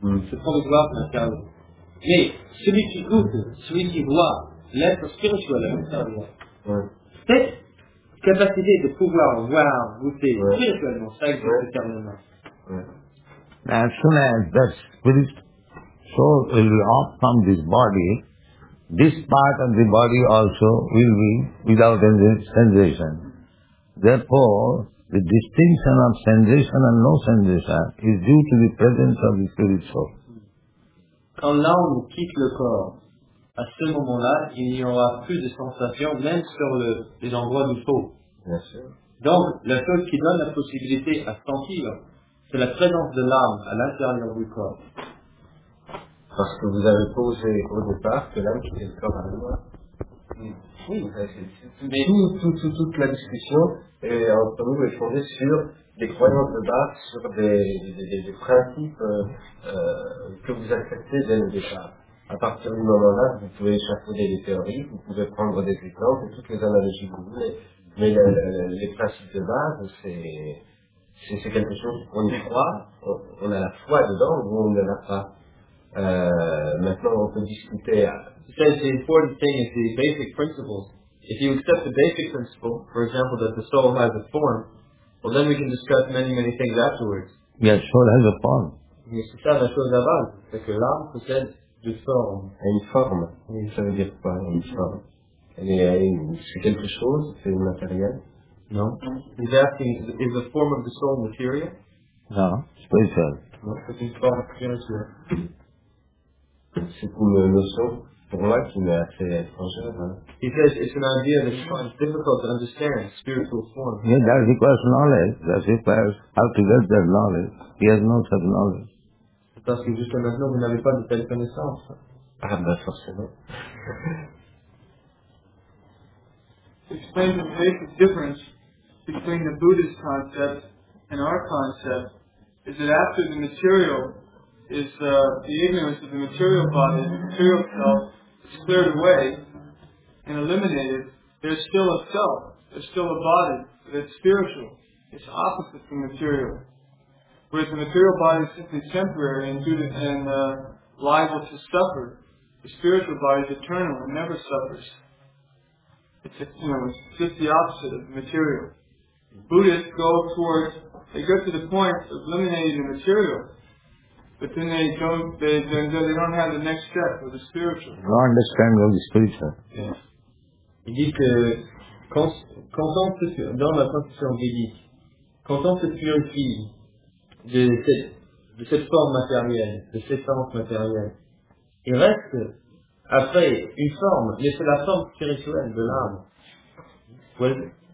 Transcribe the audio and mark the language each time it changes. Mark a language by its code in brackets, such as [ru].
[fr] C'est pour le voir matériel. Mais celui qui goûte, celui qui voit, l'être spirituel est matériel. Ouais. Cette capacité de pouvoir voir, goûter spirituellement, ça existe éternellement. [en] So it will off from this body, this part of the body also will be without any sensation. Therefore, the distinction of sensation and no sensation is due to the presence of the spirit soul. [fr] Quand l'âme quitte le corps, à ce moment-là, il n'y aura plus de sensation même sur les endroits du soul. [en] Yes, sir. [fr] Donc, la chose qui donne la possibilité à sentir, c'est la présence de l'âme à l'intérieur du corps. Parce que vous avez posé au départ que l'âme quittait le corps à la mort. Mais toute la discussion est entre nous est fondée sur des croyances de base, sur des principes que vous acceptez dès le départ. À partir du moment-là, vous pouvez échafauder des théories, vous pouvez prendre des exemples, toutes les analogies que vous voulez. Mais les principes de base, c'est quelque chose qu'on y croit, on a la foi dedans ou on ne l'a pas. Maintenant, on peut discuter. [en] He says the important thing is the basic principles. if you accept the basic principle, for example, that the soul has a form, well, then we can discuss many, many things afterwards. Yes, soul has a form. [fr] Mais c'est ça la chose à base, c'est que l'âme possède une forme. Une forme. Oui, ça veut dire quoi, une forme? Elle est, c'est quelque chose, c'est matériel? Non. [en] He's asking, is the form of the soul material? [fr] Non, c'est pas ça. Non, c'est une forme spirituelle. C'est une notion, pour moi, qui m'est assez étrangère. Hein. [en] He says, it's an idea that he finds difficult to understand, spiritual form. Yeah, that requires knowledge. That requires how to get that knowledge. He has no such knowledge. [fr] Parce que jusqu'à maintenant, vous n'avez pas de telle connaissance. Ah, ben forcément. [en] Explain the basic difference between the Buddhist concept and our concept is that after the material is the ignorance of the material body, the material self, is cleared away and eliminated, there's still a self, there's still a body, but it's spiritual. It's opposite from material. Whereas the material body is simply temporary and liable to suffer, the spiritual body is eternal and never suffers. It's just the opposite of the material. Buddhists go towards, they go to the point of eliminating the material, but then they don't have the next step with the spiritual. No, I understand the spiritual. Yeah. [fr] Il dit que dans la tradition bouddhique, quand on se purifie de cette forme matérielle, de cette forme matérielle, il reste après une forme, mais c'est la forme spirituelle de l'âme.